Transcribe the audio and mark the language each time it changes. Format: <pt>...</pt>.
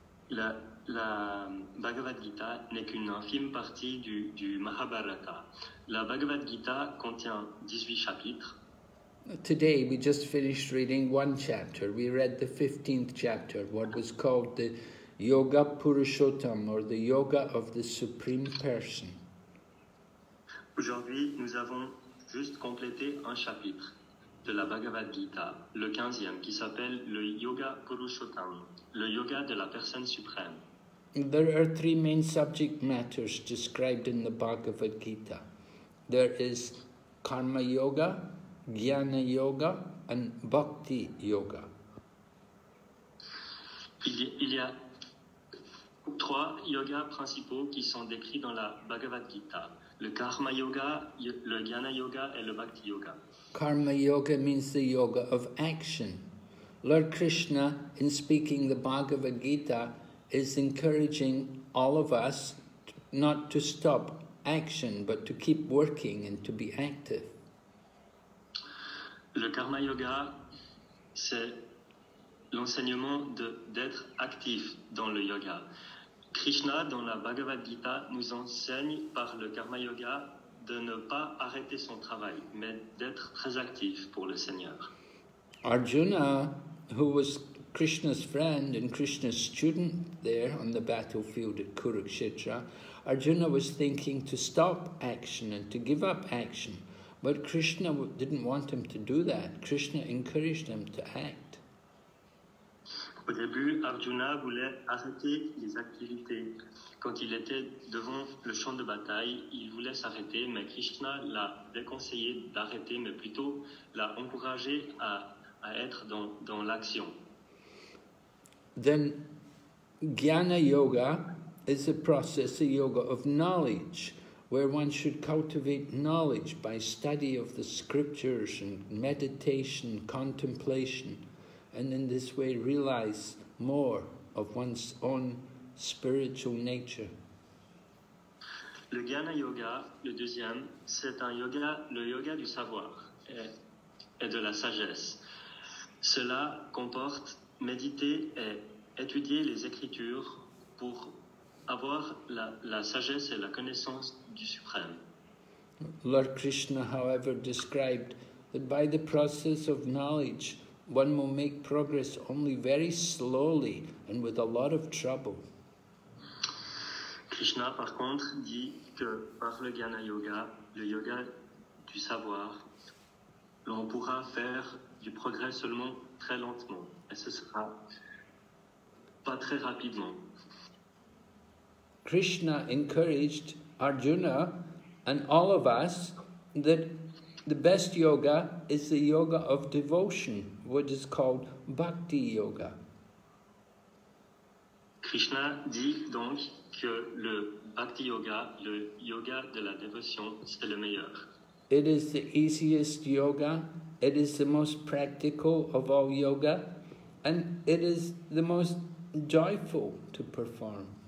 <fr>La Bhagavad Gita n'est qu'une infime partie du Mahabharata. La Bhagavad Gita contient 18 chapitres.</fr> <en>Today we just finished reading one chapter. We read the 15th chapter, what was called the Yoga Purushottam, or the Yoga of the Supreme Person.</en> <fr>Aujourd'hui, nous avons juste complété un chapitre de la Bhagavad Gita, le 15e, qui s'appelle le Yoga Purushottam, le Yoga de la Personne Suprême.</fr> <en>There are three main subject matters described in the Bhagavad Gita. There is Karma Yoga, Jnana Yoga, and Bhakti Yoga.</en> <fr>Il y a trois yogas principaux qui sont décrits dans la Bhagavad Gita. Le Karma Yoga, le Jnana Yoga et le Bhakti Yoga.</fr> <en>Karma Yoga means the yoga of action. Lord Krishna, in speaking the Bhagavad Gita, is encouraging all of us not to stop action, but to keep working and to be active.</en> <fr>Le Karma Yoga, c'est l'enseignement d'être actif dans le yoga. Krishna, dans la Bhagavad Gita, nous enseigne par le Karma Yoga de ne pas arrêter son travail, mais d'être très actif pour le Seigneur.</fr> <en>Arjuna, who was Krishna's friend and Krishna's student there on the battlefield at Kurukshetra, Arjuna was thinking to stop action and to give up action. But Krishna didn't want him to do that. Krishna encouraged him to act.</en> <fr>Au début, Arjuna voulait arrêter les activités. Quand il était devant le champ de bataille, il voulait s'arrêter, mais Krishna l'a déconseillé d'arrêter, mais plutôt l'a encouragé à être dans l'action.</fr> <en>Then, Jnana Yoga is a process, a yoga of knowledge, where one should cultivate knowledge by study of the scriptures and meditation, contemplation, and in this way realize more of one's own spiritual nature.</en> <fr>Le Jnana Yoga, le deuxième, c'est un yoga, le yoga du savoir et de la sagesse. Cela comporte méditer et étudier les écritures pour avoir la sagesse et la connaissance du Suprême.</fr> <en>Lord Krishna, however, described that by the process of knowledge, one will make progress only very slowly and with a lot of trouble.</en> <fr>Krishna, par contre, dit que par le Jnana Yoga, le yoga du savoir, l'on pourra faire du progrès seulement très lentement, et ce sera pas très rapidement.</fr> <en>Krishna encouraged Arjuna and all of us that the best yoga is the yoga of devotion, what is called Bhakti Yoga.</en> <fr>Krishna dit donc que le Bhakti Yoga, le yoga de la dévotion, c'est le meilleur.</fr> <en>It is the easiest yoga, it is the most practical of all yoga, and it is the most joyful to perform.</en>